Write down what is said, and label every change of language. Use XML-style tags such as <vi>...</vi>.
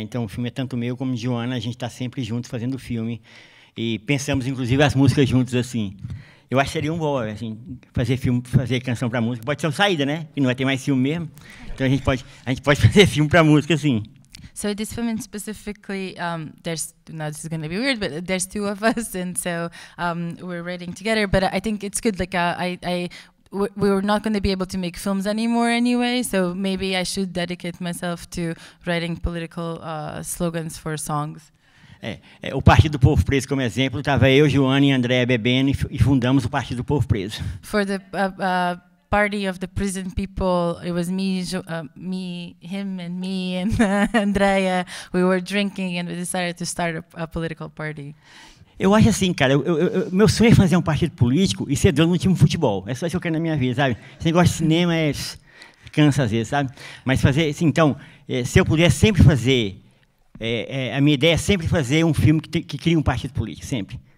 <pt>Então, o filme é tanto meu como Joana, a gente está sempre juntos fazendo o filme. E pensamos, inclusive, as músicas juntos, assim. Eu acho que seria um bom, assim, fazer filme, fazer canção para música. Pode ser uma saída, né? Que não vai ter mais filme mesmo. Então, a gente pode fazer filme para música, assim.</pt> <en>So this film in specifically, this is going to be weird, but there's two of us, and so we're writing together. But I think it's good, like, we were not going to be able to make films anymore anyway, so maybe I should dedicate myself to writing political slogans for songs.</en> <pt>O Partido do Povo Preso, como exemplo, estava eu, Joana e Andréa bebendo e fundamos o Partido do Povo Preso.</pt> <en>For the party of the prison people. It was me, him and me and Andrea. We were drinking and we decided to start a political party.</en> <pt>Eu acho assim, cara, meu sonho é fazer um partido político e ser dono de um time de futebol. É só isso que eu quero na minha vida, sabe? Esse negócio de cinema é, cansa às vezes, sabe? Mas fazer, assim, então, se eu puder sempre fazer, a minha ideia é sempre fazer um filme que crie um partido político, sempre.</pt>